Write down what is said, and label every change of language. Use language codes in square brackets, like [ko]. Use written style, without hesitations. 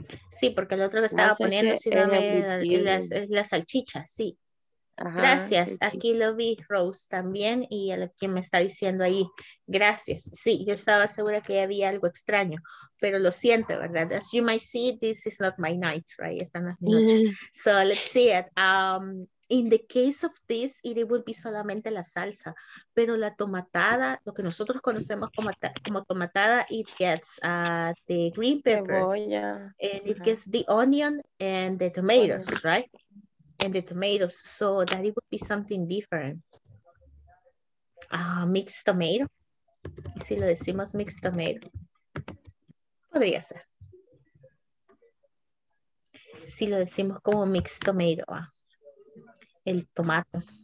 [es] Sí, porque el otro que estaba poniendo la salchicha, sí. Gracias, salchicha. Aquí lo vi, Rose, también, y el que me está diciendo ahí, gracias. Sí, yo estaba segura que había algo extraño, pero lo siento, ¿verdad? [en] As you might see, this is not my night, right? [es] Esta no es mi noche. [en] So, let's see it. In the case of this, it will be [es] solamente la salsa, pero la tomatada, lo que nosotros conocemos como tomatada, [en] it gets the green pepper, [es] cebolla, [en] and it gets the onion and the tomatoes, right? And the tomatoes, so that it would be something different. [es] Mixed tomato, ¿y si lo decimos mixed tomato? Podría ser. Si lo decimos como mixed tomato, ¿ah? El tomate.